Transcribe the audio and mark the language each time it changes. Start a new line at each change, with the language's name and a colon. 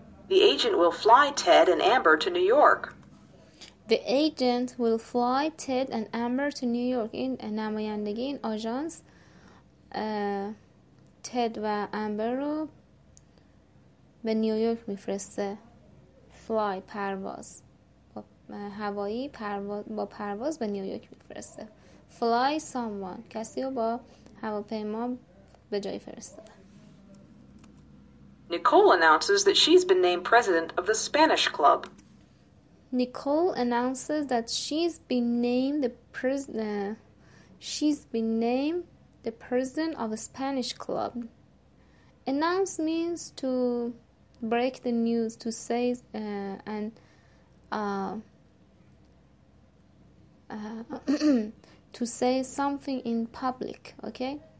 English: The agent will fly Ted and Amber to New York. The agent will fly Ted and Amber to New York.
Persian: این نمایندگی این آژانس تد و امبر رو به نیویورک میفرسته. Fly پرواز. هوایی پرواز با پرواز به نیویورک میفرسته. Fly someone کسی رو با هواپیما به جای فرستاده.
English: Nicole announces that she's been named president of the Spanish club. Nicole announces that she's been named the president of a Spanish club. Announce means to break the news, to say to say something in public. Okay?